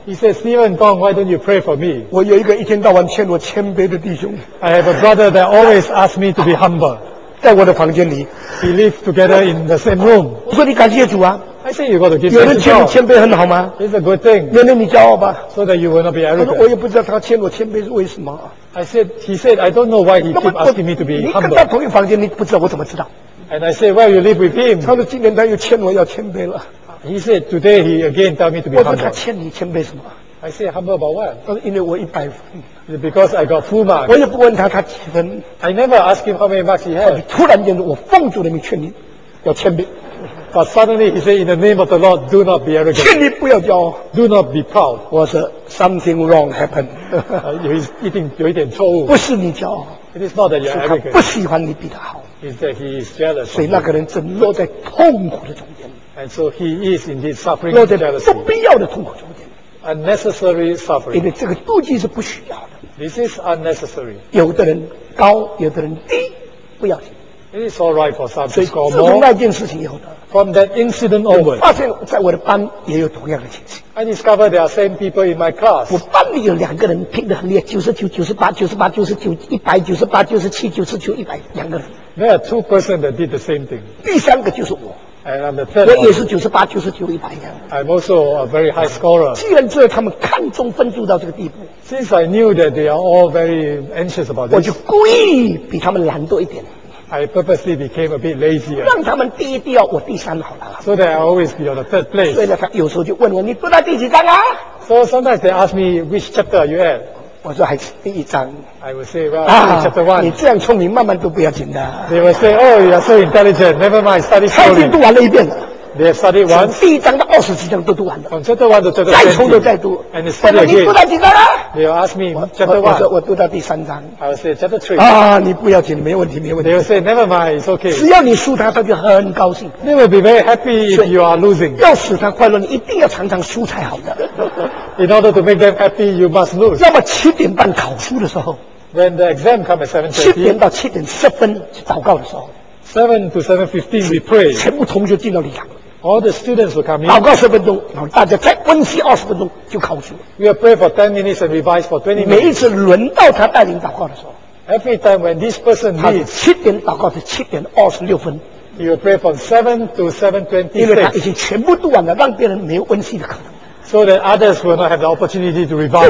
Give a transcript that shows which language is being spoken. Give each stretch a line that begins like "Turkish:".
English: He said, Stephen Gong, why don't you pray for me?
Chinese: 我有一个一天到晚劝我谦卑的弟兄
English: I have a brother that always asks me to be humble.
Chinese: 在我的房间里
English: We live together in the same room.
Chinese: 我说你感谢主啊
English: I say you got to give him a job.
Chinese: 有人劝你谦卑很好吗
English: It's a good thing.
Chinese: 原来你骄傲吧
English: So that you will not be arrogant.
Chinese: 他说我也不知道他劝我谦卑是为什么
English: He said, I don't know why he keep asking me to be humble.
Chinese: 你跟他同一房间你不知道我怎么知道
English: And I said, well, you live with him.
Chinese: 他说今天他又劝我要谦卑了
English: He said, today he again tell me to be humble.
Chinese: 我说他劝你谦卑什么
English: I said, humble about what?
Chinese: 他说因为我100分
English: It's because I got full marks.
Chinese: 我也不问他他几分
English: I never ask him how many marks he had.
Chinese: 突然间我奉主的名劝你要谦卑
English: But suddenly he said, in the name of the Lord, do not be arrogant.
Chinese: 劝你不要骄傲。
English: Do not be proud.
Chinese: 我说
English: something wrong happened.
Chinese: 一定有一点错误。不是你骄傲。
English: It is not that you're arrogant.
Chinese: 不喜欢你比他好。
English: is that he is jealous.
Chinese: 所以那个人正落在痛苦的中间。
English: And so he is indeed suffering jealousy.
Chinese: 落在不必要的痛苦中间。
English: Unnecessary suffering.
Chinese: 因为这个妒忌是不需要的。
English: This is unnecessary.
Chinese: 有的人高，有的人低，不要紧。
English: It is all right for some to score more.
Chinese: 所以自从那件事情以后呢
English: ，From that incident onward,
Chinese: 发现在我的班也有同样的情形。
English: I discovered there are same people in my class.
Chinese: 我班里有两个人拼得很厉害，99, 98, 99, 100, 98, 99, 100, 两个人。
English: There are two persons that did the same thing.
Chinese: 第三个就是我。
English: And I'm the third.
Chinese: 我也是九十八、九十九、一百一样。
English: I'm also a very high scorer.
Chinese: 既然知道他们看中分数到这个地步
English: ，Since I knew that they are all very anxious about this,
Chinese: 我就故意比他们懒惰一点。
English: I purposely became a bit lazier.
Chinese: 让他们第一第二，我第三好了。
English: So that I always be on the third place.
Chinese: 所以呢，他有时候就问我，你读到第几章啊
English: ？So sometimes they ask me which chapter are you at.
Chinese: 我说还是第一章。
English: I will say, well, chapter one.
Chinese: 你这样聪明，慢慢读不要紧的。
English: They will say, oh, you are so intelligent. Never mind, study slowly.
Chinese: 他已经读完了一遍了。
English: They have studied once.
Chinese: 第一章到二十几章都读完了。
English: From chapter one to chapter
Chinese: 再从头再读。
English: And they study again.
Chinese: 你读到几章啊
English: ？They will ask me chapter one.
Chinese: 我读到第三章。
English: I will say chapter three.
Chinese: 啊，你不要紧，没问题，没问题。
English: They will say never mind, it's okay.
Chinese: 只要你输他，他就很高兴。
English: They will be very happy if you are losing.
Chinese: 要使他快乐，你一定要常常输才好的。
English: In order to make them happy, you must lose.
Chinese: 要么七点半考书的时候。
English: When the exam comes at 7:30.
Chinese: 七点到七点十分祷告的时候。
English: 7 to 7:15, we pray.
Chinese: 全部同学进到礼堂。
English: All the students will come in.
Chinese: 祷告十分钟，然后大家再温习二十分钟就考试。
English: We will pray for 10 minutes and revise for 20 minutes.
Chinese: 每一次轮到他带领祷告的时候
English: ，Every time when this person leads,
Chinese: 他七点祷告是七点二十六分。
English: He will pray from 7 to 7:20.
Chinese: 因为他已经全部读完了，让别人没有温习的可能。
English: So that others will not have the opportunity to revise.